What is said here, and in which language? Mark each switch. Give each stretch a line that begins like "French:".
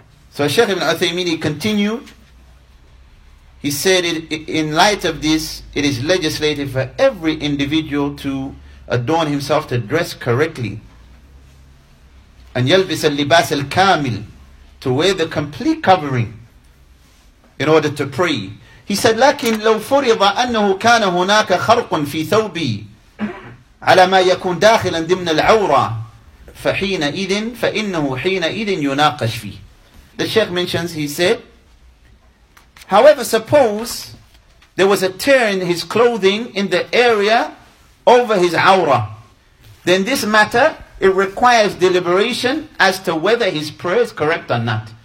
English: So Shaykh Ibn Uthaymeen continued, he said, in light of this, it is legislated for every individual to adorn himself, to dress correctly. And
Arabic: يلبس اللباس الكامل,
English: to wear the complete covering in order to pray. He said,
Arabic: لكن لو فرض أنه كان هناك خرق في ثوبي على ما يكون داخلا ضمن العورة فحينئذ فإنه حينئذ يناقش فيه.
English: The Shaykh mentions, he said, however, suppose there was a tear in his clothing in the area over his awrah, then this matter, it requires deliberation as to whether his prayer is correct or not.